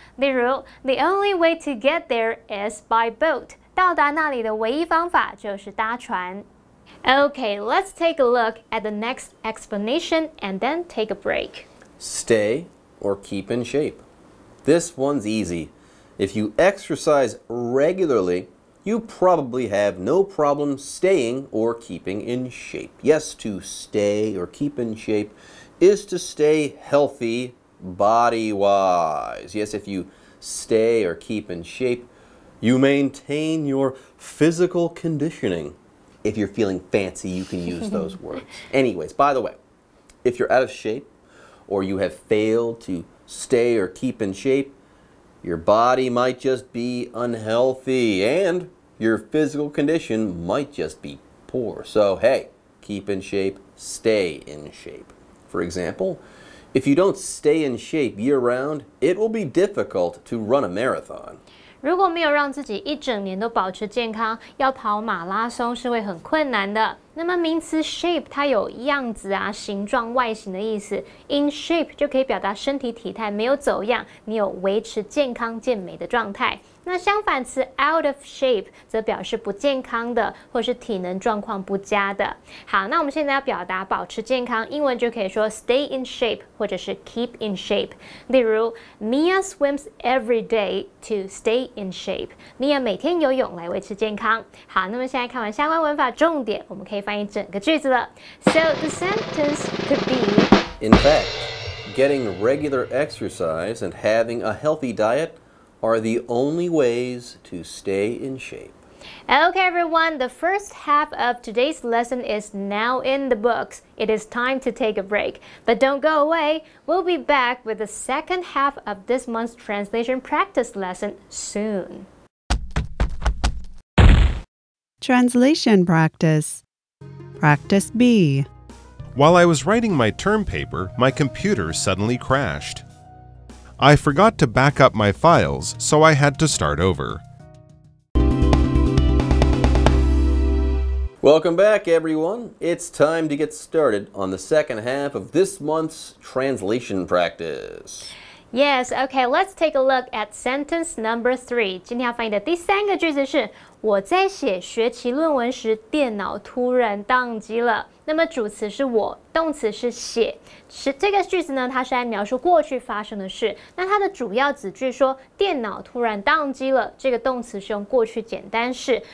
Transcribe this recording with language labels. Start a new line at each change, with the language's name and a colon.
Chinese: 例如
English: ，The only way to get there is by boat.
Chinese: 到达那里的唯一方法就是搭船。
English: Okay, let's take a look at the next explanation and then take a break. Stay or keep in shape. This one's easy. If you exercise regularly, you probably have no problem staying or keeping in shape. Yes, to stay or keep in shape is to stay healthy body-wise. Yes, if you stay or keep in shape,You maintain your physical conditioning. If you're feeling fancy, you can use those words. Anyways, by the way, if you're out of shape or you have failed to stay or keep in shape, Your body might just be unhealthy, and your physical condition might just be poor. So, hey, keep in shape, stay in shape. For example, if you don't stay in shape year-round, it will be difficult to run a marathon.
Chinese: 如果没有让自己一整年都保持健康，要跑马拉松是会很困难的。那么名词 shape 它有样子啊、形状、外形的意思。 In shape 就可以表达身体体态没有走样，你有维持健康健美的状态。那相反词 out of shape 则表示不健康的，或是体能状况不佳的。好，那我们现在要表达保持健康，英文就可以说 stay in shape 或者是 keep in shape。例如
English: ，Mia swims every day to stay in shape。
Chinese: Mia 每天游泳来维持健康。好，那么现在看完相关文法重点，我们可以翻译整个句子了。
English: So the sentence could be: In fact, getting regular exercise and having a healthy diet. Are the only ways to stay in shape. Okay, everyone, the first half of today's lesson is now in the books. It is time to take a break. But don't go away, we'll be back with the second half of this month's translation practice lesson soon. Translation practice. Practice B. While I was writing my term paper, my computer suddenly crashed. I forgot to back up my files, so I had to start over. Welcome back, everyone. It's time to get started on the second half of this month's translation practice. Yes, okay, let's take a look at sentence number three.
Chinese: 今天要翻译的第三个句子是我在写学期论文时电脑突然宕机了。那么主词是我，动词是写。这个句子呢，它是在描述过去发生的事。那它的主要子句说电脑突然宕机了，这个动词是用过去简单式。